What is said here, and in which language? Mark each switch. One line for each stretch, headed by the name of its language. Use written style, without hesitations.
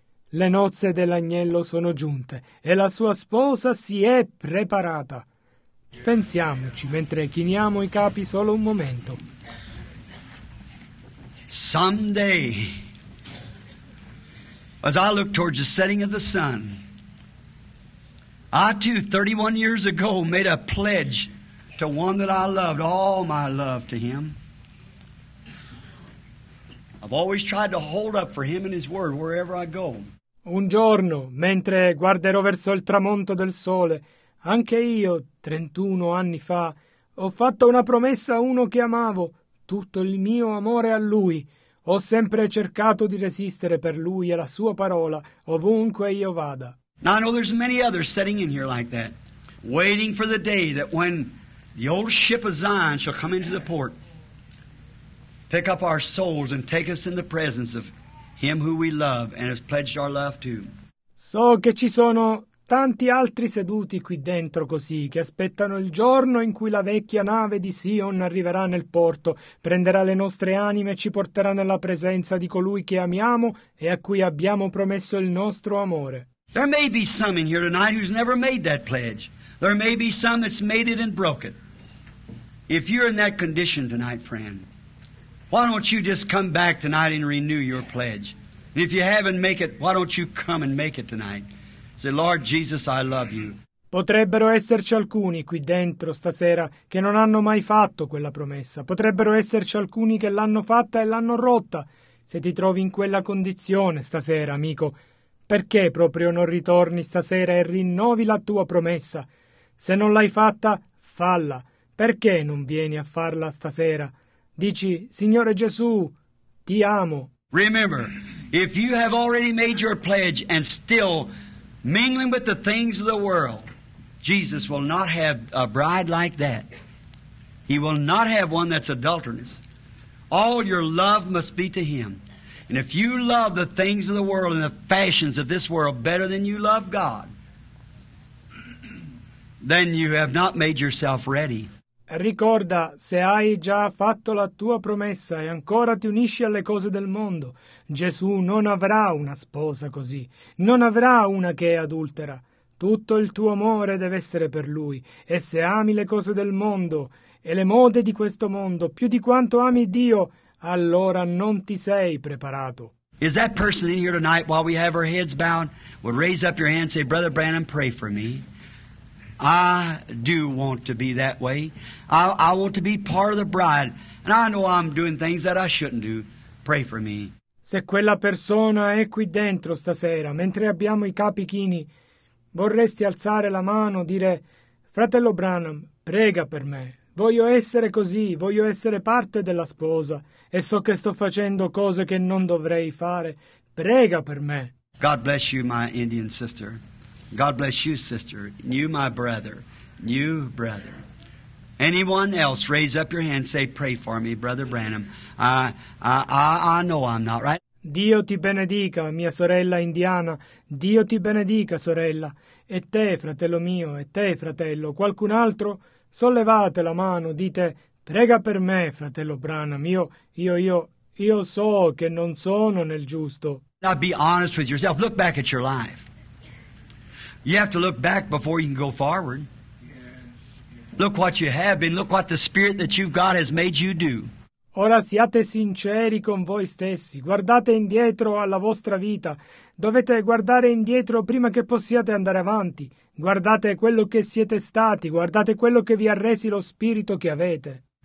Italian: Le nozze dell'agnello sono giunte e la sua sposa si è preparata. Pensiamoci mentre chiniamo i capi solo un momento.
English: Someday, as I look towards the setting of the sun, I too, 31 years ago, made a pledge to one that I loved, all my love to him. I've always tried to hold up for him and his word wherever I go.
Italian: Un giorno, mentre guarderò verso il tramonto del sole, anche io, 31 anni fa, ho fatto una promessa a uno che amavo, tutto il mio amore a lui. Ho sempre cercato di resistere per lui e la sua parola ovunque io vada.
English: Now I know there's many others sitting in here like that, waiting for the day that when the old ship of Zion shall come into the port, pick up our souls and take us in the presence of Him who we love and has pledged our love to.
Italian: So che ci sono tanti altri seduti qui dentro così, che aspettano il giorno in cui la vecchia nave di Sion arriverà nel porto, prenderà le nostre anime e ci porterà nella presenza di colui che amiamo e a cui abbiamo promesso il nostro amore.
English: There may be some in here tonight who's never made that pledge. There may be some that's made it and broke it. If you're in that condition tonight, friend, why don't you just come back tonight and renew your pledge? And if you haven't made it, why don't you come and make it tonight? Say, Lord Jesus, I love you.
Italian: Potrebbero esserci alcuni qui dentro stasera che non hanno mai fatto quella promessa. Potrebbero esserci alcuni che l'hanno fatta e l'hanno rotta. Se ti trovi in quella condizione stasera, amico, perché proprio non ritorni stasera e rinnovi la tua promessa? Se non l'hai fatta, falla. Perché non vieni a farla stasera? Dici, Signore Gesù, ti amo.
English: Remember, if you have already made your pledge and still mingling with the things of the world, Jesus will not have a bride like that. He will not have one that's adulterous. All your love must be to Him. And if you love the things of the world and the fashions of this world better than you love God, then you have not made yourself ready.
Italian: Ricorda, se hai già fatto la tua promessa e ancora ti unisci alle cose del mondo, Gesù non avrà una sposa così, non avrà una che è adultera. Tutto il tuo amore deve essere per Lui, e se ami le cose del mondo e le mode di questo mondo più di quanto ami Dio, allora non ti sei preparato.
English: Is that person in here tonight, while we have our heads bowed, would raise up your hand and say, Brother Branham, pray for me. I do want to be that way. I want to be part of the bride. And I know I'm doing things that I shouldn't do. Pray for me.
Italian: Se quella persona è qui dentro stasera, mentre abbiamo i capi chini, vorresti alzare la mano, dire, Fratello Branham, prega per me. Voglio essere così, voglio essere parte della sposa. E so che sto facendo cose che non dovrei fare. Prega per me.
English: God bless you, my Indian sister. God bless you, sister. You, my brother. You, brother. Anyone else, raise up your hand, say, pray for me, Brother Branham. I know I'm not right.
Italian: Dio ti benedica, mia sorella indiana. Dio ti benedica, sorella. E te, fratello mio, e te, fratello, qualcun altro? Sollevate la mano, dite, prega per me, fratello Branham. Io so che non sono nel giusto.
English: Now be honest with yourself. Look back at your life. You have to look back before you can go forward. Look what you have been. Look what the Spirit that you've got has made you do.
Italian: Ora siate sinceri con voi stessi. Guardate indietro alla vostra vita. Dovete guardare indietro prima che possiate andare avanti. Guardate quello che siete stati. Guardate quello che vi ha resi lo Spirito che avete.